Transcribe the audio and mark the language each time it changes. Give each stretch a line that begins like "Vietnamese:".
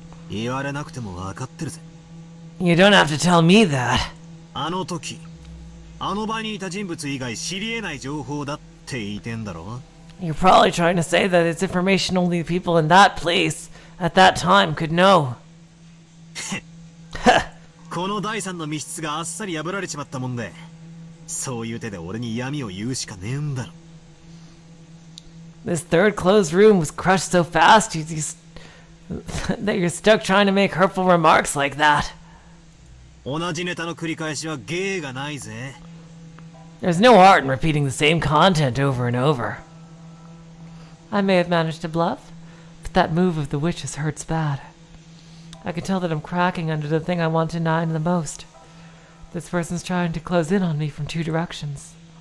Japanese: 言われなくても分かってるぜ。
English: You don't have to tell me that.
Japanese: あの時。あの場にいた人物以外知り得ない情報だって言ってんだろ?
English: You're probably trying to say that it's information only the people in that place, at that time, could know.
Japanese: この第三の密室があっさり破られちまったもんで、そういう手で俺に闇を言うしかねえんだろ。
English: This third closed room was crushed so fast that you're stuck trying to make hurtful remarks like that.
Japanese: 同じネタの繰り返しは芸がないぜ。
English: There's no art in repeating the same content over and over. I may have managed to bluff, but that move of the witch's hurts bad. I can tell that I'm cracking under the thing I want to deny the most. This person's trying to close in on me from two directions.